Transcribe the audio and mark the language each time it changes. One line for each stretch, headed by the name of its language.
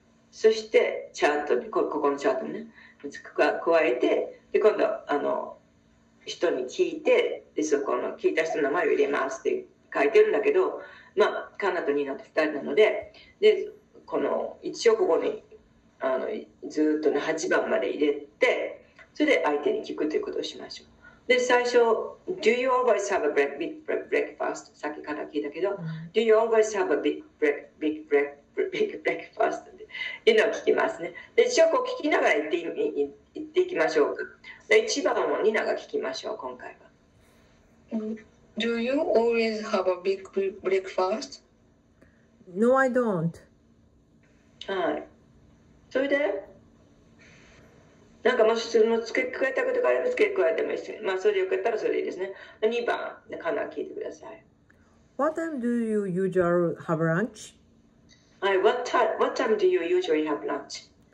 Japanese: そしてチャートに ここのチャートにね加えて、で今度人に聞いて、でそこの聞いた人の名前を入れますって書いてるんだけど、まあカナとニーナと2人なので、でこの一応ここにずっとの8番まで入れて、それで相手に聞くということをしましょう。で最初、
English: Do you always have a big breakfast?
Japanese: さっきから聞いたけど、
English: Do you always have a big breakfast?
Japanese: っていうのを聞きますね。で、一応こう聞きながら言っていきましょうか。で、一番もニナが聞きましょう、今回は。
English: Do you always have a big breakfast? No, I don't.
Japanese: はい。それで、なんかもし質問付け加えたことがあれば付け加えてもいいです。まあそれでよかったらそれでいいですね。2番で必ず聞いてください。
English: What time do you usually have lunch? Hi, what time do you usually have lunch?